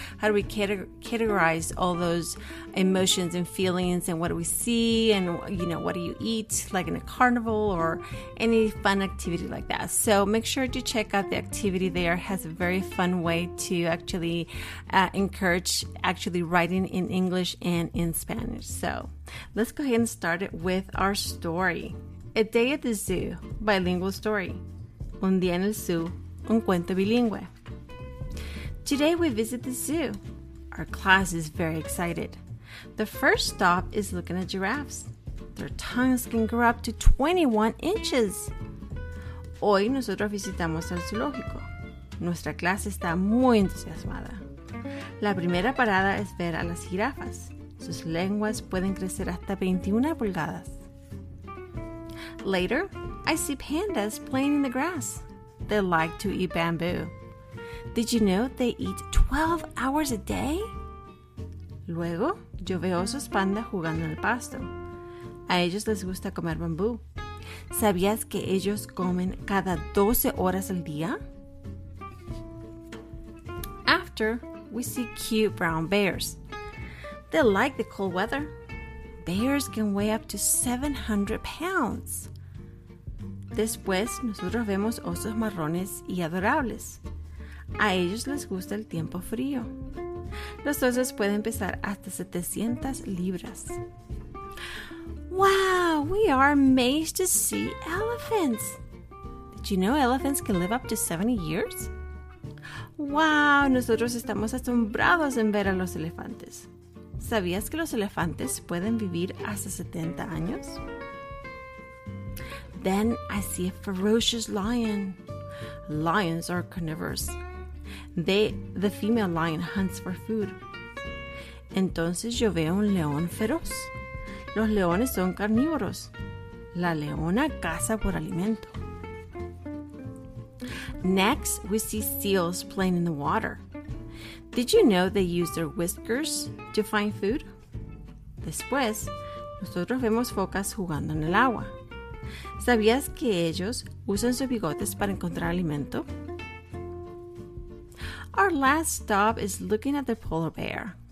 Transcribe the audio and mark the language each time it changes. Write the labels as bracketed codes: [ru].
[en] How do we categorize all those emotions and feelings, and what do we see, and you know, what do you eat, like in a carnival or any fun activity like that? So make sure to check out the activity there. It has a very fun way to actually encourage writing in English and in Spanish. So let's go ahead and start it with our story. A Day at the Zoo, Bilingual Story. [es] Un día en el zoo, un cuento bilingüe. [en] Today we visit the zoo. Our class is very excited. The first stop is looking at giraffes. Their tongues can grow up to 21 inches. [es] Hoy nosotros visitamos el zoológico. Nuestra clase está muy entusiasmada. La primera parada es ver a las jirafas. Sus lenguas pueden crecer hasta 21 pulgadas. [en] Later, I see pandas playing in the grass. They like to eat bamboo. Did you know they eat 12 hours a day? [es] Luego, yo veo osos panda jugando en el pasto. A ellos les gusta comer bambú. ¿Sabías que ellos comen cada 12 horas al día? [en] After, we see cute brown bears. They like the cold weather. Bears can weigh up to 700 pounds. [es] Después, nosotros vemos osos marrones y adorables. A ellos les gusta el tiempo frío. Los osos pueden pesar hasta 700 libras. [en] Wow, we are amazed to see elephants. Did you know elephants can live up to 70 years? [es] ¡Wow! Nosotros estamos asombrados en ver a los elefantes. ¿Sabías que los elefantes pueden vivir hasta 70 años? [en] Then I see a ferocious lion. Lions are carnivorous. The female lion hunts for food. [es] Entonces yo veo un león feroz. Los leones son carnívoros. La leona caza por alimento. [en] Next, we see seals playing in the water. Did you know they use their whiskers to find food? [es] Después, nosotros vemos focas jugando en el agua. ¿Sabías que ellos usan sus bigotes para encontrar alimento? [en] Our last stop is looking at the polar bear.